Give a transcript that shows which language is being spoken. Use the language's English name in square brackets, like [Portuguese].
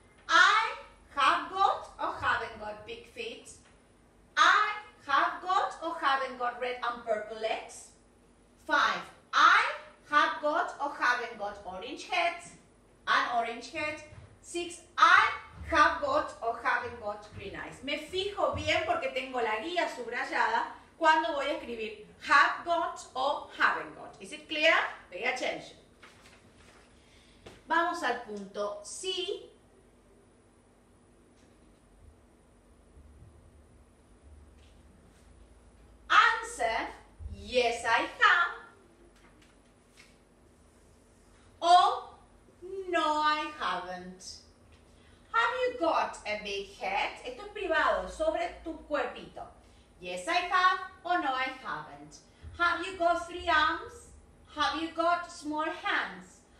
[English] I have got [Spanish] o [English] haven't got big feet. I have got [Spanish] o [English] haven't got red and purple legs. 5. I have got [Spanish] o [English] haven't got orange head. An orange head. 6. I have got [Spanish] o [English] haven't got green eyes. [Spanish] Me fijo bien porque tengo la guía subrayada cuando voy a escribir [English] have got o haven't got. Is it clear? Pay attention. [Spanish] Vamos al punto C. [English] Answer, yes I have. Or no I haven't. Have you got a big head? [Spanish] Esto es privado, sobre tu cuerpito. [English] Yes, I have, or no, I haven't. Have you got three arms? Have you got small hands?